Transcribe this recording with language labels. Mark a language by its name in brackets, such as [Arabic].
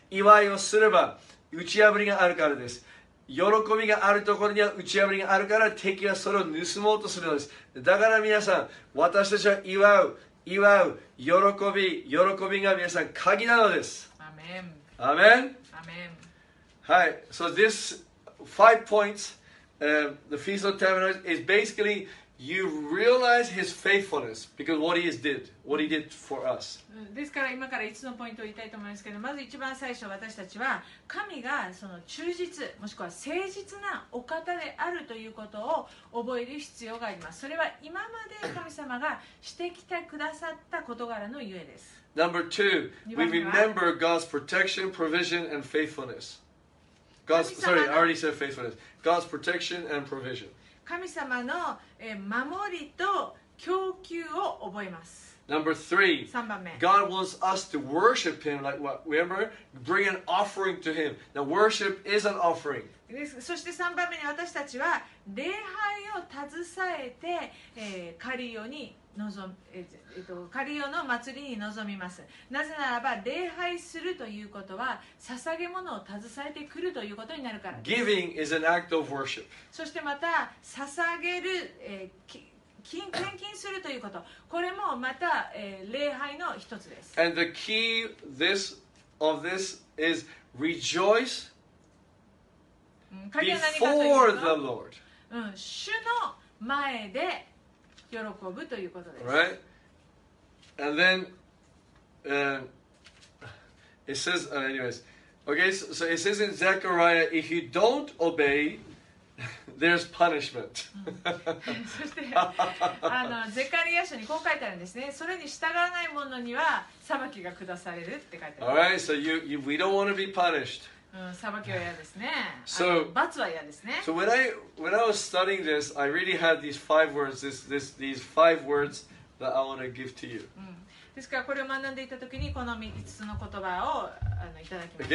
[Japanese] 祝いをすれば打ち破りがあるからです。喜びがあるところには打ち破りがあるから敵はそれを盗もうとするのです。だから皆さん、私たちは祝う喜びが皆さん鍵なのです。アメン、アメン、アメン。 [English] はい、so this five points、the Feast of Tabernacles is basically you realize his faithfulness because what he did for us。 [Japanese] ですから今から5つのポイントを言いたいと思いますけど、まず一番最初、私たちは神がその忠実もしくは誠実なお方であるということを覚える必要があります。それは今まで神様がしてきてくださった事柄のゆえです。 [English] Number two, we remember God's protection, provision and faithfulness. God's protection and provision. [Japanese] 神様の守りと供給を覚えます。 [English] Number three, [Japanese] 三番目。 [English] God wants us to worship Him, like what? Remember, bring an offering to Him. Now, worship is an offering. [Japanese] そして3番目に私たちは礼拝を携えて、カリオの祭りに臨みます。なぜならば礼拝するということは捧げ物を携えてくるということになるからです。 [English] Giving is an act of worship. [Japanese] そしてまた捧げる、献金するということ、これもまた、礼拝の一つです。 [English] And the key of this is rejoice before the Lord. [Japanese] 主の前で喜ぶということです。 [English] Right? And then it says, anyways, okay, so it says in Zechariah, if you don't obey, there's punishment. [Japanese] そしてゼカリア書にこう書いてあるんですね。それに従わない者には裁きが下されるって書いてある。 [English] All right, so you, we don't want to be punished. [Japanese] 裁きは嫌ですね。 [English] So, [Japanese] 罰は嫌ですね。 [English] So when I was studying this, I really had these five words, these five words that I want to give to you.、 [Japanese] ですからこれを学んでいたときにこの5つの言葉をいただきました。